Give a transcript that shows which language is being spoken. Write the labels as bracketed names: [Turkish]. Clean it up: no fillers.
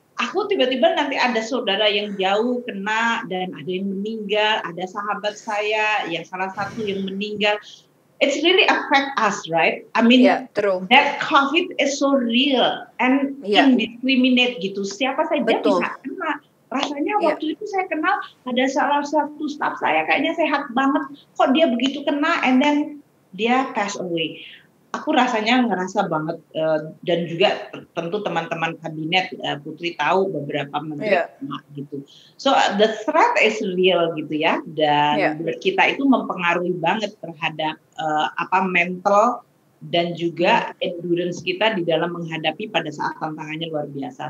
[Indonesian] Aku tiba-tiba nanti ada saudara yang jauh kena dan ada yang meninggal, ada sahabat saya yang salah satu yang meninggal. [English] It's really affect us, right? I mean, that COVID is so real and indiscriminate [Indonesian] gitu. Siapa saja bisa kena. Rasanya waktu itu saya kenal ada salah satu staff saya kayaknya sehat banget. Kok dia begitu kena [English] and then [Indonesian] dia [English] pass away. [Indonesian] Aku rasanya ngerasa banget dan juga tentu teman-teman kabinet Putri tahu beberapa menteri gitu. [English] So the threat is real [Indonesian] gitu ya dan kita itu mempengaruhi banget terhadap mental dan juga endurance kita di dalam menghadapi pada saat tantangannya luar biasa.